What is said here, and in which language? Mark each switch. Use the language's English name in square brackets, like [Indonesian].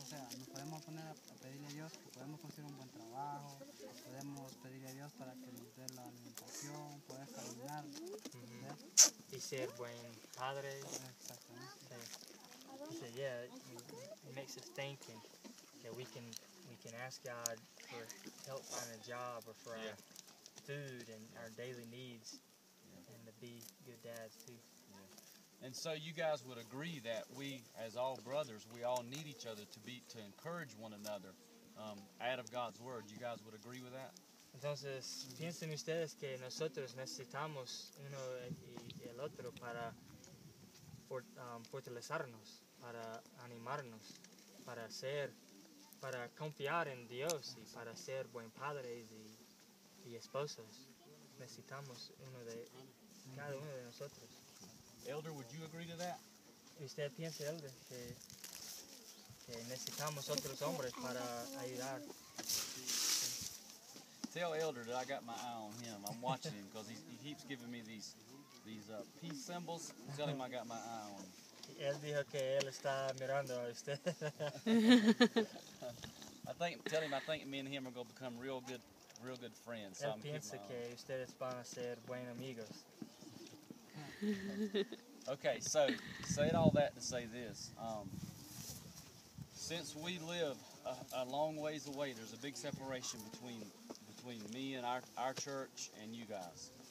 [Spanish] O sea, nos podemos poner a pedirle a Dios que podemos conseguir un buen trabajo, podemos pedirle a Dios para que nos dé la alimentación, poder caminar, y ser buen padre. Exactamente. [English] So yeah, it makes us think and that we can ask God for help finding a job or for our food and our daily needs and to be good dads too. Yeah. And so you guys would agree that we, as all brothers, we all need each other to encourage one another out of God's Word. You guys would agree with that? [Spanish] Entonces, piensen ustedes que nosotros necesitamos uno y el otro para fortalecernos, para animarnos, para confiar en Dios y para ser buen padres y esposos. Necesitamos cada uno de nosotros. [English] Elder, would you agree to that? [Spanish] ¿Usted piensa, Elder, que necesitamos otros hombres para ayudar? [English] Tell Elder that I got my eye on him. I'm watching him because he keeps giving me these peace symbols. Tell him I got my eye on him. [Spanish] Él dijo que él está mirando a usted. [English] I think me and him are going to become real good friends. [Spanish] Él piensa que ustedes van a ser buen amigos. [English] Okay, so said all that to say this. Since we live a long ways away, there's a big separation between me and our church and you guys.